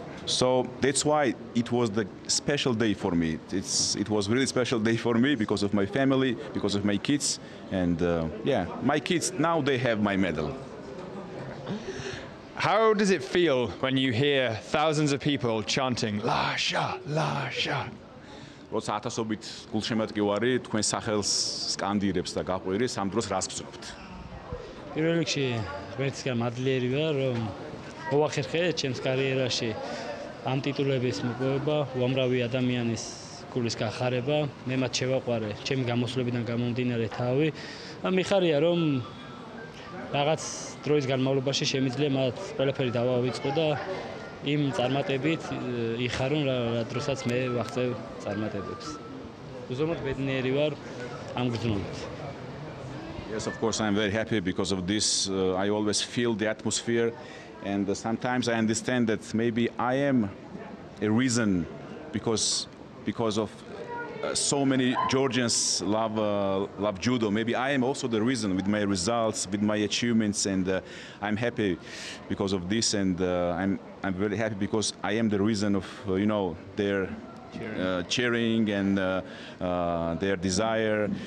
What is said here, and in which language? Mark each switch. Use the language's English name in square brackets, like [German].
[English] So that's why it was the special day for me. It was really special day for me because of my family, because of my kids, and my kids, now they have my medal. How does it feel when you hear thousands of people chanting, Lasha, Lasha? [Georgian] როცა ათასობით გულშემატკივარი ვარი, თქვენ სახელს სკანდირებს და გაყვირის, ამ დროს რას გწუხთ? პირველ რიგში, ღმერთისგან მადლიერი ვარ, რომ მოახერხე ჩემს კარიერაში ამ ტიტულების მოპოვება, უამრავი ადამიანის გულის გახარება, მე მათ შევაყვარე ჩემი გამოსვლებიდან გამომდინარე თავი. მიხარია, რომ რაღაც დროის განმავლობაში შემიძლია მათ ყველაფერი დავავიწყო და იმ წარმატებით იხარონ რა დროსაც მე ვახცევ წარმატებებს. უზომოდ ბედნიერი ვარ ამ გზნობით. [English] Yes, of course, I'm very happy because of this. I always feel the atmosphere, and sometimes I understand that maybe I am a reason because of so many Georgians love judo. Maybe I am also the reason with my results, with my achievements, and I'm happy because of this, and I'm very happy because I am the reason of, you know, their cheering and their desire.